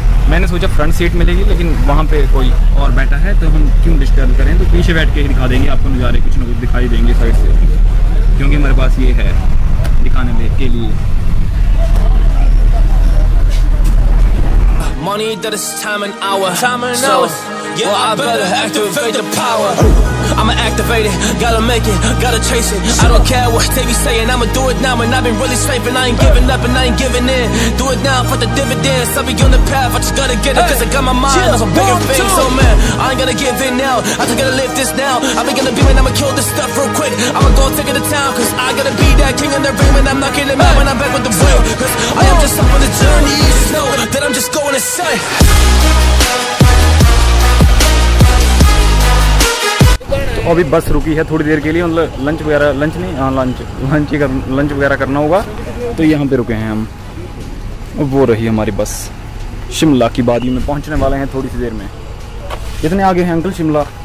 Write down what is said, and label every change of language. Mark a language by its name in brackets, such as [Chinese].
[Hindi] मैंने सोचा front seat मिलेगी लेकिन वहाँ पे कोई और बैठा है, तो हम क्यों डिस्टर्ब करें, तो पीछे बैठ के ही दिखा देंगे आपको नज़ारे, कुछ ना कुछ दिखाई देंगे साइड से, क्योंकि हमारे पास ये है दिखाने में के लिए। [English] Money that is time and hour, time and hour. So, yeah, well, I better activate the power. I'ma activate it, gotta make it, gotta chase it. I don't care what they be saying, I'ma do it now. And I've been really slaving, I ain't giving up and I ain't giving in. Do it now for the dividends, I'll be on the path. I just gotta get it, cause I got my mind on some bigger things. Oh man, I ain't gonna give in now, I just gotta live this now. I'm gonna be when I'ma kill this stuff real quick. I'ma go take it to town, cause I gotta be that king in the ring when I'm knocking him out when I'm back with the real. Cause I am just up on the journey, just know that I'm just going insane. [Hindi] अभी बस रुकी है थोड़ी देर के लिए, मतलब lunch वगैरह, lunch नहीं, हाँ लंच वगैरह करना होगा, तो यहाँ पे रुके हैं हम। वो रही हमारी बस शिमला की वादी में, पहुँचने वाले हैं थोड़ी सी देर में। कितने आगे हैं अंकल शिमला